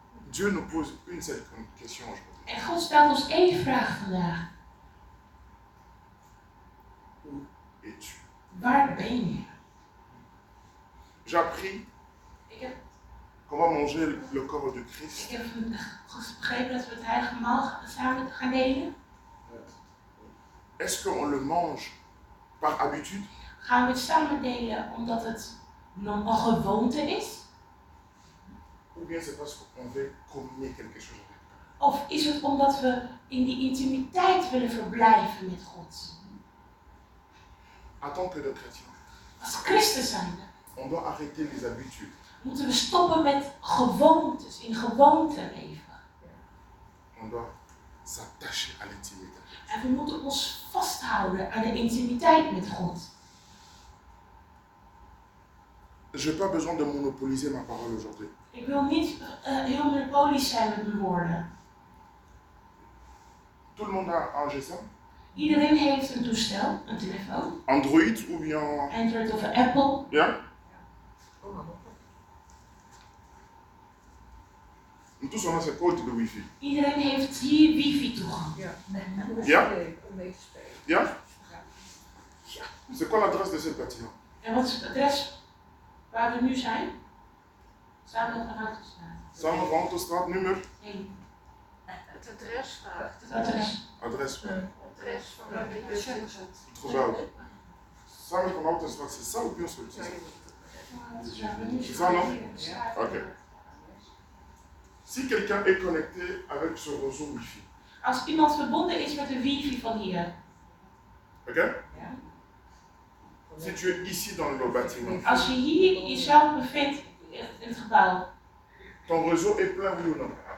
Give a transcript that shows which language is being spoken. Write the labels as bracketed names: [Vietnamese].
[French] Dieu nous pose une seule question aujourd'hui. [Dutch] En God stelt ons één vraag vandaag. [French] Où es-tu? [Dutch] Waar ben je? [French] J'ai appris comment manger le corps du Christ. [Dutch] Ik heb vandaag begrepen dat we het heilige maal samen gaan delen. [French] Est-ce qu'on le mange par habitude? [Dutch] Gaan we het samen delen omdat het normaal gewoonte is? [French] Ou bien c'est parce qu'on veut communier quelque chose. [Dutch] Of is het omdat we in die intimiteit willen verblijven met God? [French] Attends que de chrétien. [Dutch] Als Christen zijnde. [French] On doit arrêter les habitudes. [Dutch] Moeten we stoppen met gewoontes, in gewoonte leven. [French] On doit s'attacher à l'intimité. [Dutch] En we moeten ons vasthouden aan de intimiteit met God. [French] J'ai pas besoin de monopoliser ma parole aujourd'hui. [Dutch] Ik wil niet heel monopolisch zijn met mijn woorden. [French] Tout le monde a un GSM. [Dutch] Iedereen heeft een toestel, een telefoon. [French] Android ou bien. [Dutch] Android of Apple. Ja. [English] Yeah. Yeah. [French] Tous on a ses codes de wifi. [Dutch] Iedereen heeft hier wifi toegang. Ja. Ja. Om ja. Ja. [French] C'est quoi l'adresse de cette bâtiment? [Dutch] En wat is het adres waar we nu zijn? Samen van Autostraat. Samen van Autostraat, nummer? 1. Het adres vraagt. Het adres. Adres. Adres van de Autostraat. [French] Samen van Autostraat, c'est ça ou bien ce petit? [Dutch] Ja, [French] c'est ça, non? [Dutch] Ja. Oké. [French] Si quelqu'un est connecté avec ce réseau wifi. [Dutch] Als iemand verbonden is met de wifi van hier. Oké? [French] Si tu es ici dans le bâtiment. [Dutch] Als je hier jezelf bevindt. In het gebouw. [French] Ton réseau est plein ou non?